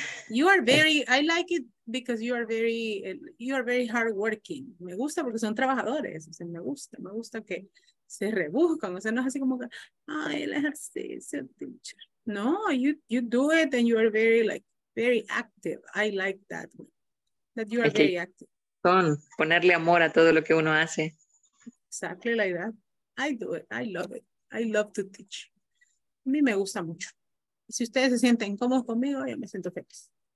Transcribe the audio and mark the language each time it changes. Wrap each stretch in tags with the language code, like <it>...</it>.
<en>You are very, I like it because you are very hardworking.</en> <es>Me gusta porque son trabajadores. O sea, me gusta que se rebuscan. O sea, no es así como que, ay, el ejercicio, teacher.</es> <en>No, you do it and you are very, like, very active. I like that. That you are very active.</en> <es>Son ponerle amor a todo lo que uno hace.</es> <en>Exactly like that. I do it. I love it. I love to teach.</en> <es>A mí me gusta mucho. Si ustedes se sienten cómodos conmigo, yo me siento feliz.</es>